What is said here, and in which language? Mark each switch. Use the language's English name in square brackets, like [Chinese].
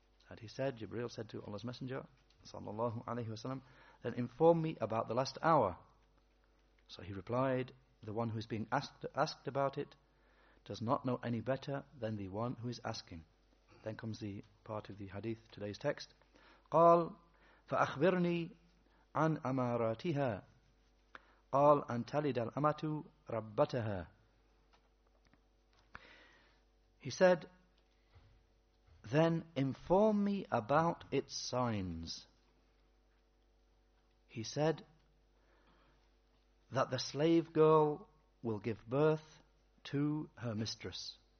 [English] And he said, Jibreel said to Allah's Messenger sallallahu alayhi wa sallam, then inform me about the last hour. So he replied, the one who is being asked about it does not know any better than the one who is asking. Then comes the part of the hadith, today's text. [Arabic] قال فأخبرني عن أماراتها قال أن تلد الأمة ربتها. [English] He said, then inform me about its signs. He said that the slave girl will give birth to her mistress.